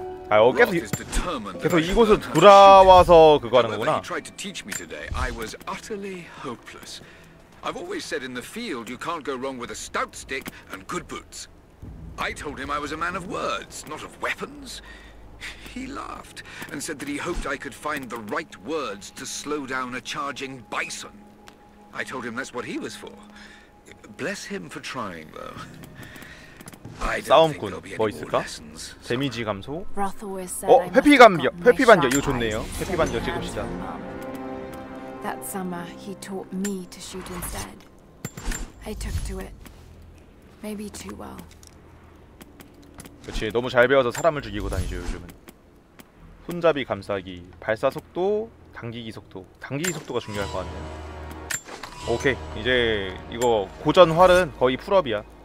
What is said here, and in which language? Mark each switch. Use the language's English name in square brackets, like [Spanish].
[Korean] 아, 어, 계속 이곳을 돌아와서 그거 하는 거구나. [English] I've always said in the field you can't go wrong with a stout stick and good boots. I told him I was a man of words, not of weapons. He laughed and said that he hoped I could find the right words to slow down a charging bison. I told him that's what he was for. Bless him for trying, though. I don't think there'll be any more lessons. [Korean] 데미지 감소. 어, 회피 감겨. 회피 반겨. 이거 좋네요. 회피 반겨 찍읍시다. [English] That summer, he taught me to shoot instead. I took to it. Maybe too well. [Korean] 그렇지, 너무 잘 배워서 사람을 죽이고 다니죠 요즘은. 손잡이 감싸기, 발사 속도, 당기기 속도. 당기기 속도가 중요할 것 같네요. 오케이, 이제 이거 고전 활은 거의 풀업이야.